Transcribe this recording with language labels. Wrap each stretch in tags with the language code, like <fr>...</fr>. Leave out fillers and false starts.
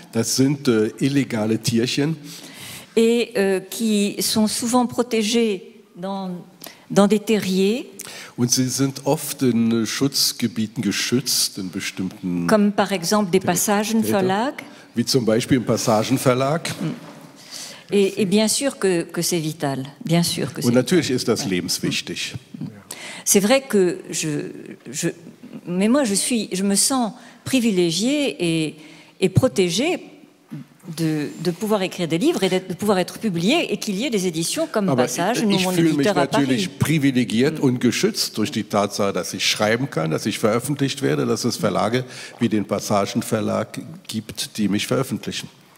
<de>Das sind illegale Tierchen.</de> <fr>Et qui sont souvent protégés dans des terriers.</fr> <de>Und sie sind oft in Schutzgebieten geschützt, in bestimmten.</de> <fr>Comme par exemple des Passagenverlags.</fr> <de>Wie zum Beispiel im Passagenverlag.</de> <fr>Et bien sûr que c'est vital. Bien sûr que.</fr> <de>Und</de> <fr>c'est</fr> <de>natürlich vital. Ist das lebenswichtig.</de> <fr>C'est vrai que je mais moi je me sens privilégié et protégé de pouvoir écrire des livres et de pouvoir être publié et qu'il y ait des éditions comme</fr> <de>Aber</de> <fr>Passage nous mon éditeur à Paris.</fr> <de>Ich fühle mich natürlich privilegiert und geschützt durch die Tatsache, dass ich schreiben kann, dass ich veröffentlicht werde, dass es Verlage wie den Passagenverlag gibt, die mich veröffentlichen.</de>